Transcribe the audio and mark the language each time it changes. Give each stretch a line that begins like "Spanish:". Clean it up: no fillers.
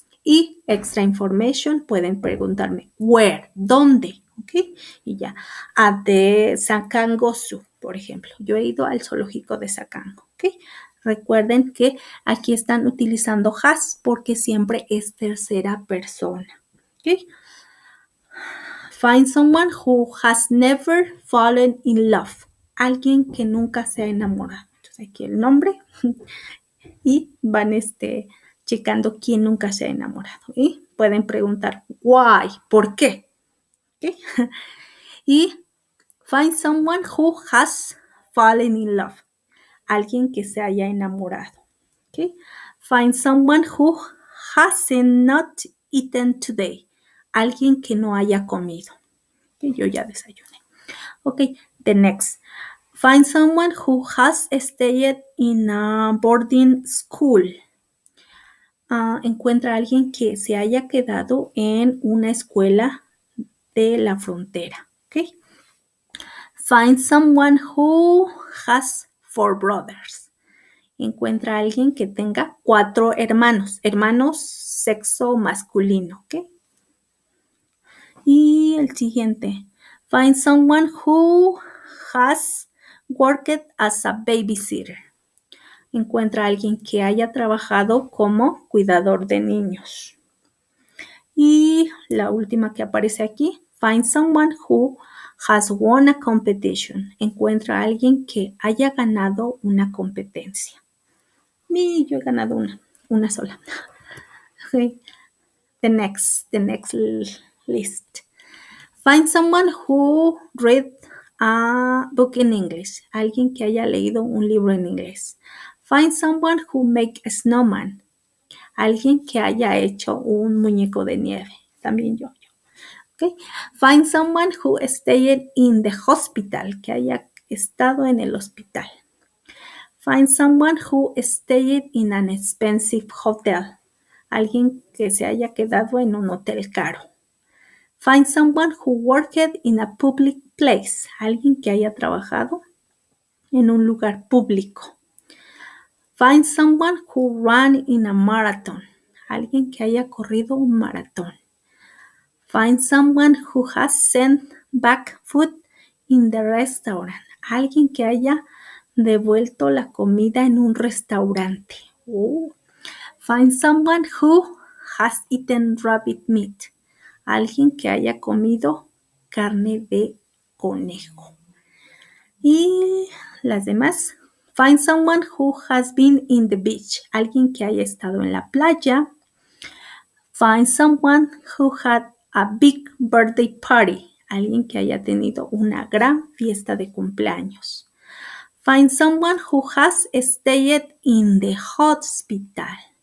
Spanish: Y
English: extra information,
Spanish: pueden preguntarme, where, dónde, ¿ok? Y ya, a de Sacango Zoo, por ejemplo. Yo he ido al zoológico de Sacango, ¿ok? Recuerden que aquí están utilizando has porque siempre es tercera persona, ¿ok?
English: Find someone who has never fallen in love.
Spanish: Alguien que nunca se ha enamorado. Entonces aquí el nombre y van checando quién nunca se ha enamorado. Y pueden preguntar, why, ¿por qué? ¿Okay?
English: Y find someone who has fallen in love.
Spanish: Alguien que se haya enamorado.
English: ¿Okay? Find someone who hasn't not eaten today.
Spanish: Alguien que no haya comido. ¿Okay? Yo ya desayuné.
English: Ok, the next. Find someone who has stayed in a boarding school.
Spanish: Encuentra a alguien que se haya quedado en una escuela de la frontera. ¿Okay?
English: Find someone who has four brothers.
Spanish: Encuentra a alguien que tenga cuatro hermanos, hermanos sexo masculino. ¿Okay? Y el siguiente.
English: Find someone who has worked as a babysitter.
Spanish: Encuentra a alguien que haya trabajado como cuidador de niños. Y la última que aparece aquí,
English: find someone who has won a competition.
Spanish: Encuentra a alguien que haya ganado una competencia. Y yo he ganado una sola. Okay.
English: The next list. Find someone who read a book in English.
Spanish: Alguien que haya leído un libro en inglés.
English: Find someone who make a snowman.
Spanish: Alguien que haya hecho un muñeco de nieve. También yo.
English: Okay. Find someone who stayed in the hospital.
Spanish: Que haya estado en el hospital.
English: Find someone who stayed in an expensive hotel.
Spanish: Alguien que se haya quedado en un hotel caro.
English: Find someone who worked in a public place.
Spanish: Alguien que haya trabajado en un lugar público.
English: Find someone who ran in a marathon.
Spanish: Alguien que haya corrido un maratón.
English: Find someone who has sent back food in the restaurant.
Spanish: Alguien que haya devuelto la comida en un restaurante.
English: Oh. Find someone who has eaten rabbit meat.
Spanish: Alguien que haya comido carne de conejo. Y las demás.
English: Find someone who has been in the beach.
Spanish: Alguien que haya estado en la playa.
English: Find someone who had a big birthday party.
Spanish: Alguien que haya tenido una gran fiesta de cumpleaños.
English: Find someone who has stayed in the hospital.